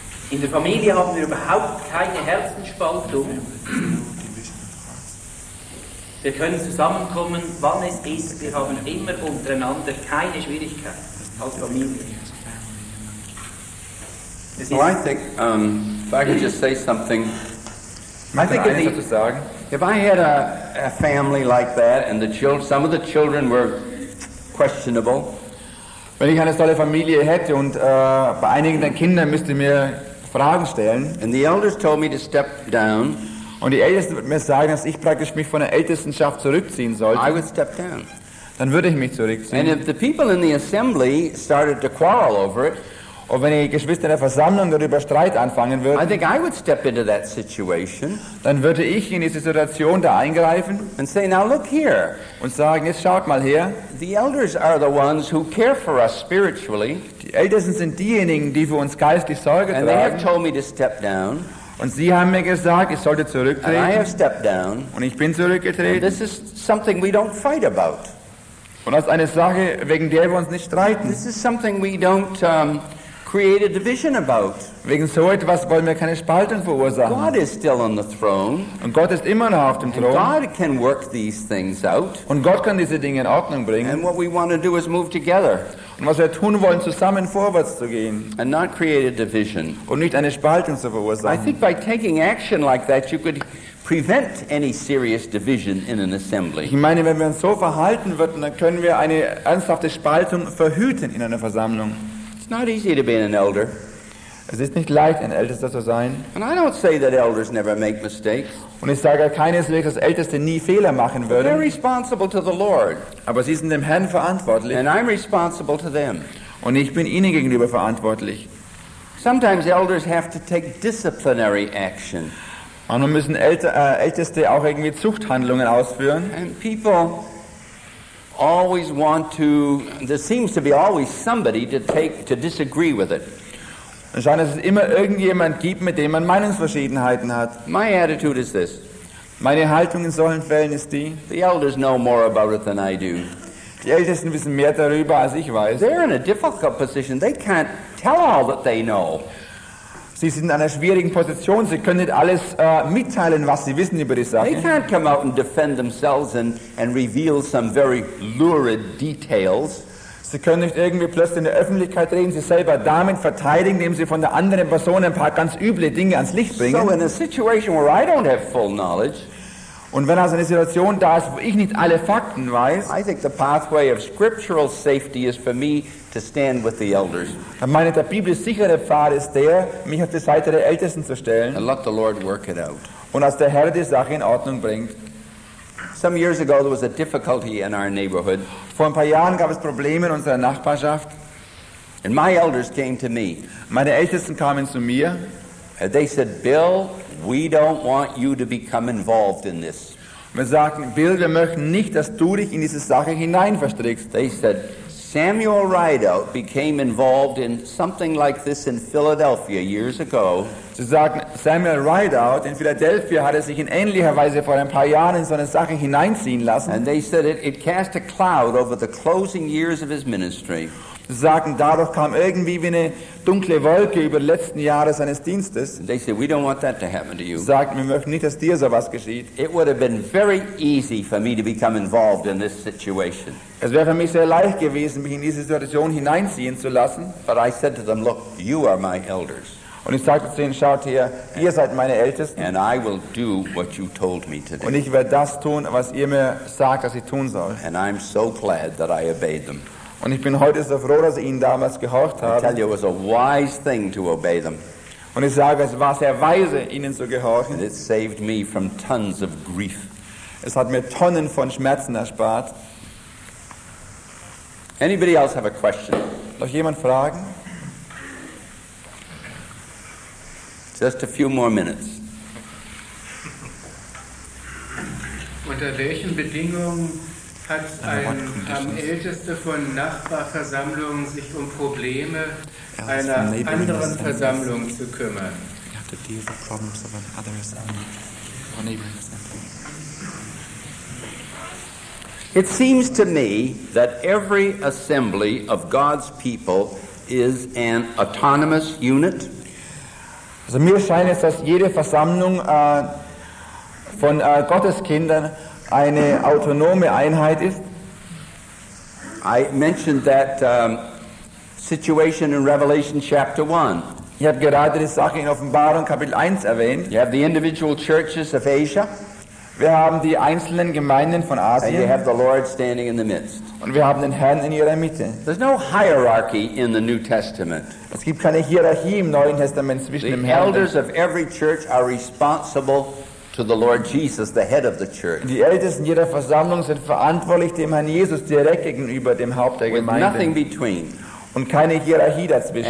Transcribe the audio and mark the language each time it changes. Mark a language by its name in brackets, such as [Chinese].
[German] In der Familie haben wir überhaupt keine Herzensspaltung. Wir können zusammenkommen, wann es ist. Wir haben immer untereinander keine Schwierigkeiten als Familie. [English] Well, I think, if I could just say something, I think if I had a family like that, and some of the children were questionable, [German] wenn ich eine solche Familie hätte und bei einigen der Kinder müsste mir Fragen stellen, [English] and the elders told me to step down, [German] und die Ältesten würden mir sagen, dass ich praktisch mich von der Ältestenschaft zurückziehen sollte, [English] I would step down, [German] dann würde ich mich zurückziehen. [English] And if the people in the assembly started to quarrel over it. [German] Und wenn die Geschwister in der Versammlung darüber Streit anfangen würden, [English] I think I would step into that situation, [German] dann würde ich in diese Situation da eingreifen [English] and say, now look here, [German] und sagen, jetzt schaut mal her, [English] the elders are the ones who care for us spiritually, [German] die Ältesten sind diejenigen, die für uns geistlich Sorge [English] and they have told me to step down, [German] und sie haben mir gesagt, ich sollte zurücktreten, [English] and I have stepped down, [German] und ich bin zurückgetreten. [English] And this is something we don't fight about. [German] Und das ist eine Sache, wegen der wir uns nicht streiten. [English] This is something we don't create a division about. [German] Wegen so etwas wollen wir keine Spaltung verursachen. [English] God is still on the throne. [German] Und Gott ist immer noch auf dem Thron. [English] God can work these things out. [German] Und Gott kann diese Dinge in Ordnung bringen. [English] And what we want to do is move together. [German] Und was wir tun wollen, zusammen vorwärts zu gehen. [English] And not create a division. [German] Und nicht eine Spaltung zu verursachen. [English] I think by taking action like that, you could prevent any serious division in an assembly. [German] Ich meine, wenn wir uns so verhalten würden, dann können wir eine ernsthafte Spaltung verhüten in einer Versammlung. [English] It's not easy to be an elder. [German] Es ist nicht leicht, ein Ältester zu sein. [English] And I don't say that elders never make mistakes. [German] Und ich sage keineswegs, dass Älteste nie Fehler machen würden. [English] They're responsible to the Lord. [German] Aber sie sind dem Herrn verantwortlich. [English] And I'm responsible to them. [German] Und ich bin ihnen gegenüber verantwortlich. [English] Sometimes elders have to take disciplinary action. [German] Und dann müssen Älteste auch irgendwie Zuchthandlungen ausführen. [English] And people always want to, there seems to be always somebody to disagree with it. [German] Es scheint, dass es immer irgendjemand gibt, mit dem man Meinungsverschiedenheiten hat. [English] My attitude is this. [German] Meine Haltung in solchen Fällen ist die. [English] The elders know more about it than I do. [German] Die Ältesten wissen mehr darüber, als ich weiß. [English] They're in a difficult position. They can't tell all that they know. [German] Sie sind in einer schwierigen Position. Sie können nicht alles mitteilen, was sie wissen über die Sache. [English] They can't come out and defend themselves and reveal some very lurid details. [German] Sie können nicht irgendwie plötzlich in der Öffentlichkeit reden, sich selber damit verteidigen, indem sie von der anderen Person ein paar ganz üble Dinge ans Licht bringen. [English] So in a situation where I don't have full knowledge, [German] und wenn also eine Situation da ist, wo ich nicht alle Fakten weiß, [English] I think the pathway of scriptural safety is for me to stand with the elders. [German] Dann meine ich, der biblisch sichere Pfad ist der, mich auf die Seite der Ältesten zu stellen. [English] And let the Lord work it out. [German] Und als der Herr die Sache in Ordnung bringt. [English] Some years ago there was a difficulty in our neighborhood. [German] Vor ein paar Jahren gab es Probleme in unserer Nachbarschaft. [English] And my elders came to me. [German] Meine Ältesten kamen zu mir. [English] And they said, Bill, we don't want you to become involved in this. [German] Wir sagten, Bill, wir möchten nicht, dass du dich in diese Sache hineinverstrickst. [English] They said, Samuel Rideout became involved in something like this in Philadelphia years ago. [German] Sie sagten, Samuel Rideout in Philadelphia hatte sich in ähnlicher Weise vor ein paar Jahren in so eine Sache hineinziehen lassen. [English] And they said it cast a cloud over the closing years of his ministry. [German] Sie sagten, dadurch kam irgendwie wie eine dunkle Wolke über die letzten Jahre seines Dienstes. [English] And they said, we don't want that to happen to you. [German] Sie sagten, wir möchten nicht, dass dir sowas geschieht. [English] It would have been very easy for me to become involved in this situation. [German] Es wäre für mich sehr leicht gewesen, mich in diese Situation hineinziehen zu lassen. [English] But I said to them, look, you are my elders. [German] Und ich sagte zu ihnen, schaut hier, ihr seid meine Ältesten. [English] And I will do what you told me to do. [German] Und ich werde das tun, was ihr mir sagt, dass ich tun soll. [English] And I'm so glad that I obeyed them. [German] Und ich bin heute so froh, dass ich ihnen damals gehorcht habe. [English] I tell you, it was a wise thing to obey them. [German] Und ich sage, es war sehr weise, ihnen zu gehorchen. [English] And it saved me from tons of grief. [German] Es hat mir Tonnen von Schmerzen erspart. [English] Anybody else have a question? [German] Noch jemand Fragen? [English] Just a few more minutes. [German] Unter welchen Bedingungen haben Älteste von Nachbarversammlungen sich um Probleme einer anderen Versammlung zu kümmern? [English] to deal with problems of others and our neighbors. It seems to me that every assembly of God's people is an autonomous unit. [German] Also mir scheint es, dass jede Versammlung von Gottes Kindern eine autonome Einheit ist. [English] I mentioned that situation in Revelation chapter 1. [German] Ich habe gerade die Sache in Offenbarung Kapitel 1 erwähnt. [English] You have the individual churches of Asia. [German] Wir haben die einzelnen Gemeinden von Asien. [English] And you have the Lord standing in the midst. [German] Und wir haben den Herrn in ihrer Mitte. [English] There's no hierarchy in the New Testament. [German] Es gibt keine Hierarchie im Neuen Testament zwischen [English] the [German] dem [English] elders [German] Herrn. [English] Of every church are responsible to the Lord Jesus, the head of the church. [German] Die Ältesten jeder Versammlung sind verantwortlich dem Herrn Jesus direkt gegenüber dem Haupt der Gemeinde. [English] With nothing between. [German] Und keine Hierarchie dazwischen.